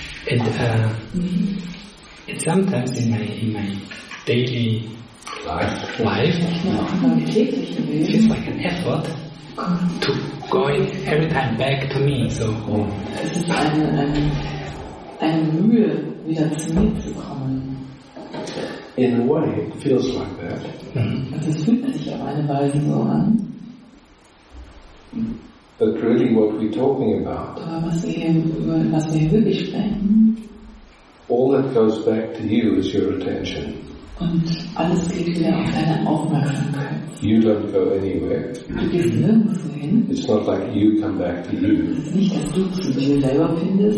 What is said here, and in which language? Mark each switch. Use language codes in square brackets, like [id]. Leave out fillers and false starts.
[en] And and sometimes in my daily life, it feels like an effort to go every time back to me. So, [de] es ist eine Mühe, wieder zu mir zu kommen. [en] In a way, it feels like that. [de] Also, es fühlt sich auf eine Weise so an. [en] But really, what we're talking about. [de] Aber was wir hier wirklich sprechen. [en] All that goes back to you is your attention. [de] Und alles geht wieder auf deine Aufmerksamkeit. [en] You don't go anywhere. [de] Du gehst nirgendwo hin. [en] It's not like you come back to you. [de] Es ist nicht, dass du zu dir selber findest.